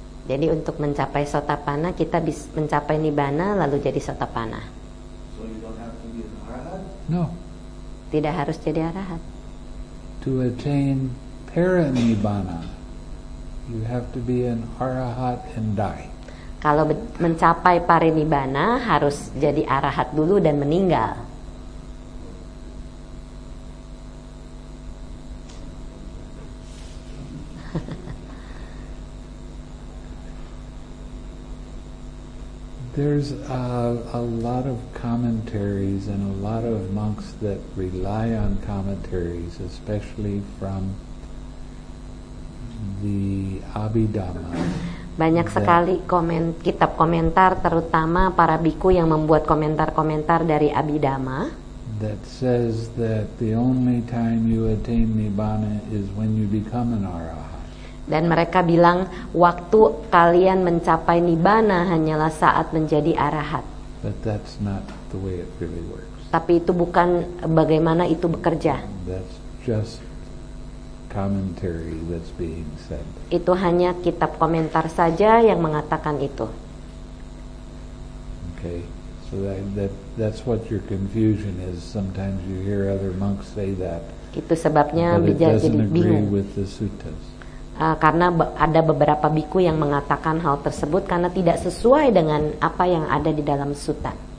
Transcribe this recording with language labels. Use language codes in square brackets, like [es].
[id] Jadi untuk mencapai sotapana, kita bisa mencapai nibbana lalu jadi sotapana. [en] So you don't have to be an arahat? No. [id] Tidak harus jadi arahat. [en] To attain paranibbana, you have to be an arahat and die. [id] Kalau mencapai parinibbana, harus jadi arahat dulu dan meninggal. [en] There's a lot of commentaries and a lot of monks that rely on commentaries, especially from the Abhidhamma. [id] Banyak sekali kitab komentar, terutama para bhikkhu yang membuat komentar-komentar dari Abhidhamma. [en] that says that the only time you attain nibbana is when you become an arahat. [id] Dan mereka bilang waktu kalian mencapai nibbana hanyalah saat menjadi arahat. [en] But that's not the way it really works. [id] Tapi itu bukan bagaimana itu bekerja. [en] That's just commentary that's being said. [id] Itu hanya kitab komentar saja yang mengatakan itu. [en] Okay. So that's what your confusion is. Sometimes you hear other monks say that. [id] Itu sebabnya jadi bingung. Karena ada beberapa biku yang mengatakan hal tersebut karena tidak sesuai dengan apa yang ada di dalam sutta.